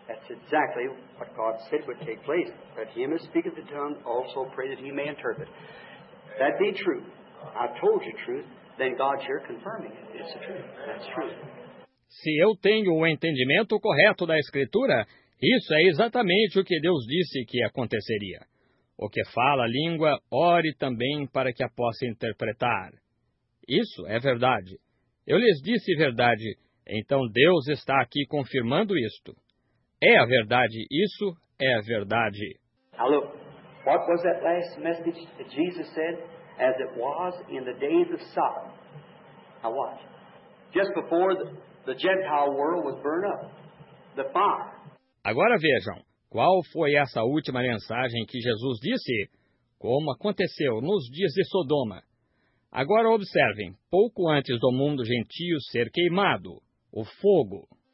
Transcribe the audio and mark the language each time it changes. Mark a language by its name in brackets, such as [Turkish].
[English] Exactly what God said would take place. Let him who speaketh the tongue also pray that he may interpret. That be true. I told you truth. Then God's here confirming it. It's the truth. That's true. [Portuguese] Se eu tenho o entendimento correto da Escritura, isso é exatamente o que Deus disse que aconteceria. O que fala a língua, ore também para que a possa interpretar. Isso é verdade. Eu lhes disse verdade. Então Deus está aqui confirmando isto. É a verdade, isso é a verdade. [English] Now look, what was that last message that Jesus said? As it was in the days of Sodom. Now watch. Just before the Gentile world was burned up. The fire. [Portuguese] Agora vejam, qual foi essa última mensagem que Jesus disse? Como aconteceu nos dias de Sodoma? Agora observem, pouco antes do mundo gentio ser queimado, o fogo.